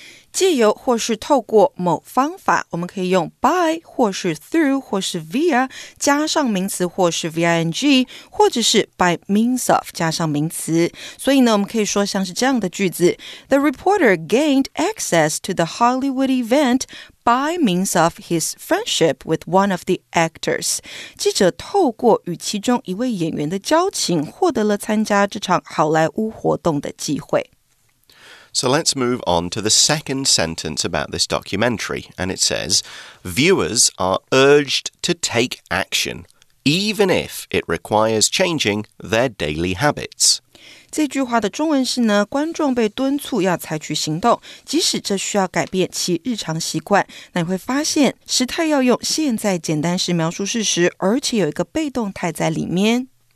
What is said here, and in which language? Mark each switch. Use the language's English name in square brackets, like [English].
[Chinese] 借由或是透过某方法，我们可以用 by 或是 through 或是 via 加上名词或是 ving， 或者是 [English] by means of [Chinese] 加上名词。所以呢，我们可以说像是这样的句子 [English] ：The reporter gained access to the Hollywood event. By means of his friendship with one of the actors. [Chinese] 记者透过与其中一位演员的交情获得了参加这场好莱坞活动的机会。 [English] So let's move on to the second sentence about this documentary, and it says, viewers are urged to take action, even if it requires changing their daily habits. [Chinese] 这句话的中文是呢，观众被敦促要采取行动，即使这需要改变其日常习惯。那你会发现，时态要用现在简单时描述事实，而且有一个被动态在里面。